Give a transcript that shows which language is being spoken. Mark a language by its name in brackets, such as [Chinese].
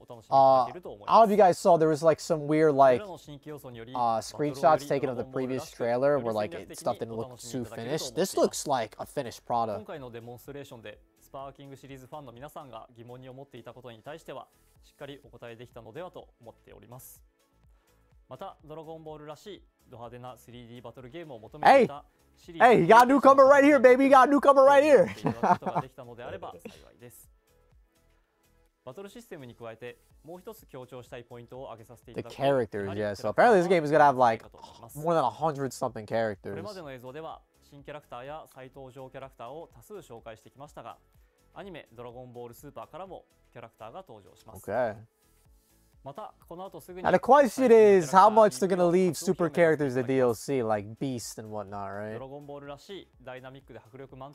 [English] All of you guys saw there was like some weird like screenshots taken of the previous trailer where like it, stuff didn't look too finished. This looks like a finished product. [Japanese] パーキングシリーズファンの皆さんが疑問に思っていたことに対してはしっかりお答えできたのではと思っております。またドラゴンボールらしいド派手な 3D バトルゲームを求めていたシリーズ、 [English] Hey, you got a newcomer right here, baby. You got a newcomer right here. [Japanese] できたのであれば幸いです。バトルシステムに加えてもう一つ強調したいポイントを挙げさせていただ [English] く。The characters, yeah. So apparently this game is gonna have like more than 100 something characters. [Japanese] これまでの映像では新キャラクターや再登場キャラクターを多数紹介してきましたが、アニメドラゴンボールスーパーからもキャラクターが登場します。 [English] Okay. [Japanese] またこの後すぐに。 [English] Now the question is how much they're gonna leave super characters the DLC like Beast and whatnot, right? [Japanese] ドラゴンボールらしいダイナミックで迫力満